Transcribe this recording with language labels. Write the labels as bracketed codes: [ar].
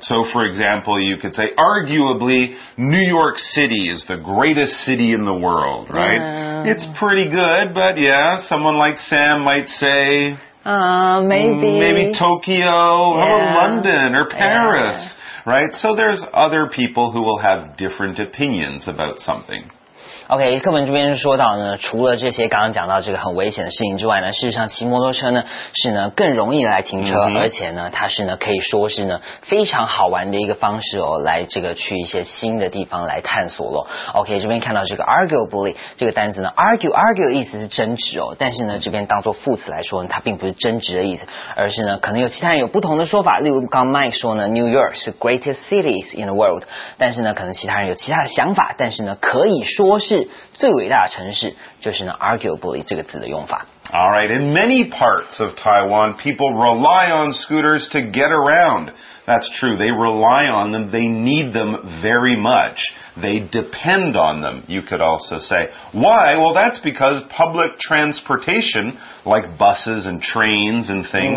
[en] So, for example, you could say, arguably, New York City is the greatest city in the world, right? Yeah. It's pretty good, but yeah, someone like Sam might say, maybe Tokyo, yeah, or London, or Paris. Yeah. Right? So there's other people who will have different opinions about something. [zh] OK, 课本这边说到呢，除了这些刚刚讲到这个很危险的事情之外呢，事实上骑摩托车呢是呢更容易来停车、 mm-hmm. 而且呢它是呢可以说是呢非常好玩的一个方式哦，来这个去一些新的地方来探索咯。 OK, 这边看到这个 arguably, 这个单词呢 argue 意思是争执哦，但是呢这边当做副词来说呢它并不是争执的意思，而是呢可能有其他人有不同的说法，例如刚 Mike 说呢 New York 是 [en] greatest cities in the world, [zh] 但是呢可能其他人有其他的想法，但是呢可以说是最伟大的城市，就是呢 arguably 这个字的用法。 [en] All right, in many parts of Taiwan, people rely on scooters to get around. That's true. They rely on them. They need them very much. They depend on them, you could also say. Why? Well, that's because public transportation, like buses and trains and things,、